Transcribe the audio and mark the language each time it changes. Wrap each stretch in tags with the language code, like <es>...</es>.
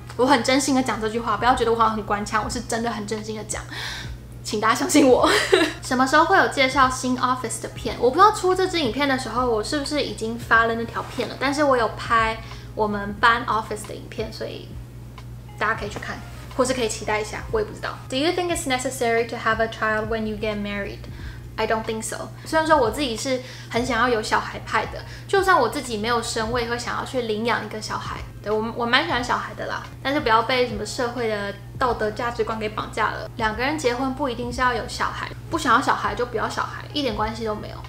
<zh>我很真心的讲这句话，不要觉得我好像很官腔，我是真的很真心的讲，请大家相信我。什么时候会有介绍新 office 的片？我不知道出这支影片的时候我是不是已经发了那条片了，但是我有拍我们搬 office 的影片，所以大家可以去看，或是可以期待一下，我也不知道。</zh> <en>Do you think it's necessary to have a child when you get married? I don't think so.</en> <zh>虽然说我自己是很想要有小孩派的，就算我自己没有生，我也会想要去领养一个小孩。对，我蛮喜欢小孩的啦，但是不要被什么社会的道德价值观给绑架了。两个人结婚不一定是要有小孩，不想要小孩就不要小孩，一点关系都没有。</zh>